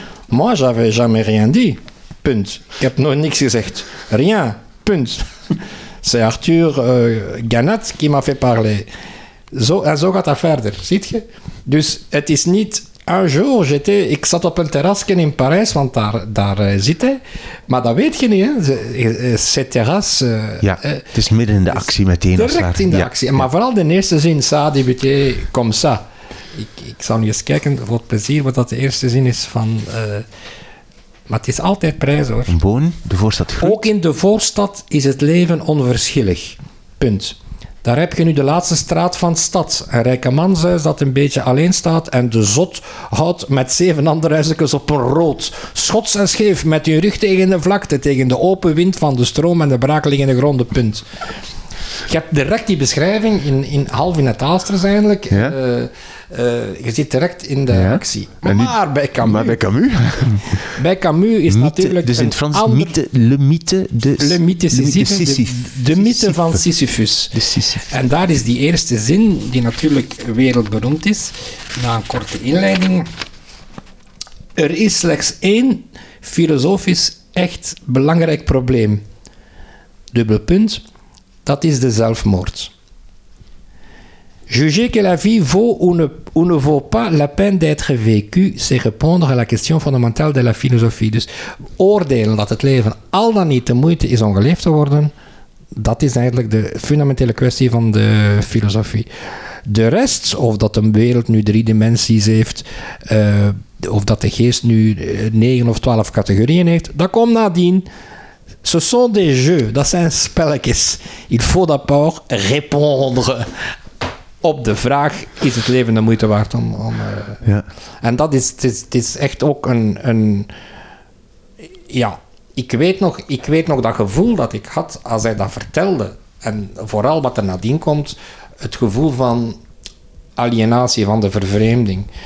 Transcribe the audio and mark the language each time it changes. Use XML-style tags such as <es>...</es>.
<fr>Moi, j'avais jamais rien dit.</fr> <nl>Punt. Ik heb nog niks gezegd.</nl> <fr>Rien.</fr> <nl>Punt.</nl> <fr>C'est Arthur Gannat qui m'a fait parler.</fr> <nl>Zo, en zo gaat dat verder, ziet je? Dus het is niet...</nl> <fr>Un jour,</fr> <nl>ik zat op een terrasje in Parijs, want daar zit hij. Maar dat weet je niet, hè.</nl> <fr>Ces terras...</fr> <nl>Ja, het is midden in de actie meteen. Direct in de actie. Maar vooral de eerste zin,</nl> <fr>ça a débuté comme ça.</fr> <nl>Ik zal nu eens kijken, voor het plezier, wat dat de eerste zin is van... Maar het is altijd prijs, hoor. Een boon, de voorstad groeit. Ook in de voorstad is het leven onverschillig. Punt. Daar heb je nu de laatste straat van de stad. Een rijke manshuis dat een beetje alleen staat en de zot houdt met 7 andere huisjes op een rood. Schots en scheef, met hun rug tegen de vlakte, tegen de open wind van de stroom en de brakelingende gronden. Punt. Je hebt direct die beschrijving, half in het Aalsters eigenlijk. Ja. Je zit direct in de actie. Maar bij Camus... Maar bij Camus? Bij Camus is mythe, natuurlijk... Dus in het Frans, mythe,</nl> <fr>le mythe de... Le mythe</fr> <nl>Sisyphus. De mythe van Sisyphus. De Sisyphus. En daar is die eerste zin, die natuurlijk wereldberoemd is, na een korte inleiding. Er is slechts één filosofisch echt belangrijk probleem. Dubbel punt... Dat is de zelfmoord.</nl> <fr>Juger que la vie vaut ou ne vaut pas la peine d'être vécu, c'est répondre à la question fondamentale de la philosophie.</fr> <nl>Dus oordelen dat het leven al dan niet de moeite is om geleefd te worden, dat is eigenlijk de fundamentele kwestie van de filosofie. De rest, of dat een wereld nu 3 dimensies heeft, of dat de geest nu 9 of 12 categorieën heeft, dat komt nadien.</nl> <fr>Ce sont des jeux,</fr> <nl>dat zijn spelletjes.</nl> <fr>Il faut d'abord répondre.</fr> <nl>Op de vraag, is het leven de moeite waard om... En dat is, het is echt ook een... Ja, ik weet nog dat gevoel dat ik had als hij dat vertelde. En vooral wat er nadien komt, het gevoel van alienatie, van de vervreemding.</nl>